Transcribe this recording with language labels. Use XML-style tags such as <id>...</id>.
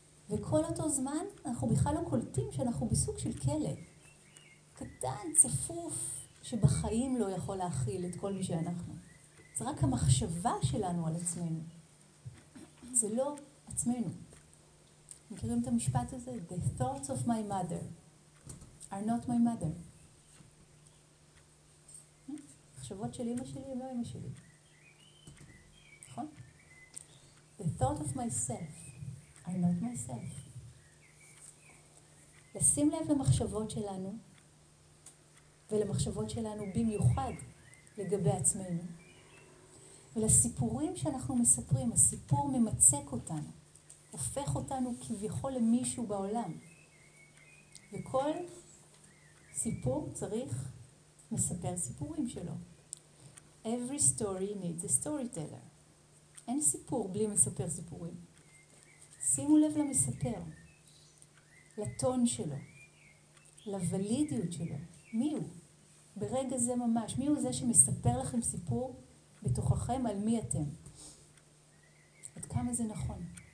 <he>וכל אותו זמן אנחנו בכלל לא קולטים שאנחנו בסוג של כלא. קטן, צפוף, שבחיים לא יכול להכיל את כל מי שאנחנו. זה רק המחשבה שלנו על עצמנו. זה לא עצמנו. מכירים את המשפט הזה?</he> <en>The thoughts of my mother are not my mother.</en> <he>מחשבות של אמא שלי הם לא אמא שלי. נכון?</he> <en>The thoughts of myself are not myself.</en> <he>לשים לב למחשבות שלנו, ולמחשבות שלנו במיוחד לגבי עצמנו, ולסיפורים שאנחנו מספרים, הסיפור ממצק אותנו, הופך אותנו כביכול למישהו בעולם. וכל סיפור צריך מספר סיפורים שלו.</he> <en>Every story needs a storyteller.</en> <he>אין סיפור בלי מספר סיפורים. שימו לב למספר, לטון שלו, לוולידיות שלו. מי הוא? ברגע זה ממש, מי הוא זה שמספר לכם סיפור בתוככם על מי אתם? עד כמה זה נכון?</he>